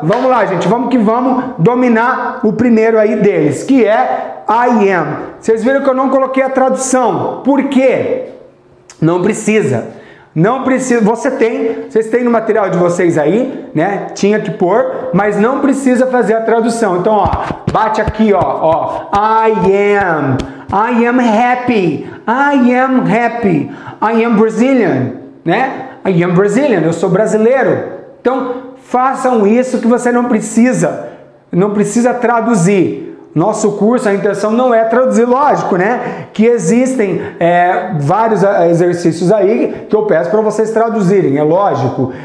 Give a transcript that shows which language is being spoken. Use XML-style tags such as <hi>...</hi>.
<pt>Vamos lá, gente, vamos que vamos dominar o primeiro aí deles, que é</pt> <en>I am.</en> <pt>Vocês viram que eu não coloquei a tradução, por quê? Não precisa. Não precisa, vocês têm no material de vocês aí, né? Tinha que pôr, mas não precisa fazer a tradução. Então, ó, bate aqui, ó, ó.</pt> <en>I am happy, I am happy, I am Brazilian, né? I am Brazilian,</en> <pt>eu sou brasileiro. Então, façam isso que você não precisa traduzir. Nosso curso, a intenção não é traduzir, lógico, né? Que existem vários exercícios aí que eu peço para vocês traduzirem, é lógico.</pt>